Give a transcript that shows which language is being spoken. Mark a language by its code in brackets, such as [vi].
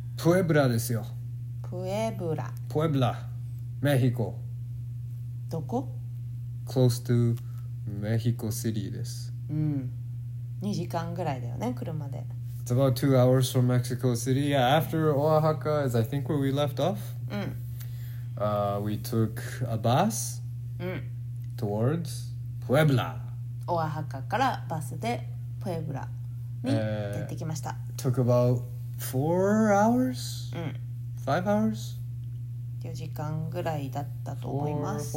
[ja] プエブラですよ。プエブラ、プエブラ、 メヒコ。どこ？ [en] Close to メヒコシティです。 [ja] うん、 2時間ぐらいだよね、車で。 [en] It's about 2 hours from Mexico City. Yeah, after Oaxaca is I think where we left off. [ja] うん、 [en] We took a bus towards Puebla. [ja] Oaxaca からバスで Puebla に行ってきました。 [en] Took about 4 hours? 5 hours? [ja] 4時間ぐらいだったと思います。